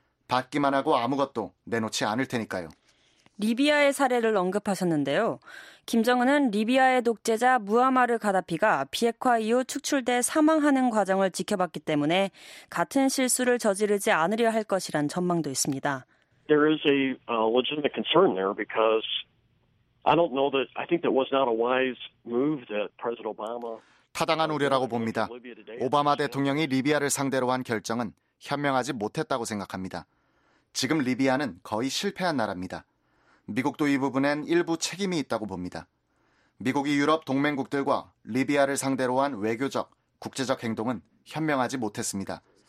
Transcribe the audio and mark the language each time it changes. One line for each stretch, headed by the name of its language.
Korean: 받기만 하고 아무것도 내놓지 않을 테니까요. 리비아의 사례를 언급하셨는데요. 김정은은 리비아의 독재자 무아마르 가다피가 비핵화 이후 축출돼 사망하는 과정을 지켜봤기 때문에 같은 실수를 저지르지 않으려 할 것이란 전망도 있습니다.
English: There is a legitimate concern there because I don't know that I think that was not a wise move that President Obama
Korean: 타당한 우려라고 봅니다. 오바마 대통령이 리비아를 상대로 한 결정은 현명하지 못했다고 생각합니다. 지금 리비아는 거의 실패한 나라입니다. 미국도 이 부분엔 일부 책임이 있다고 봅니다. 미국이 유럽 동맹국들과 리비아를 상대로 한 외교적, 국제적 행동은 현명하지 못했습니다.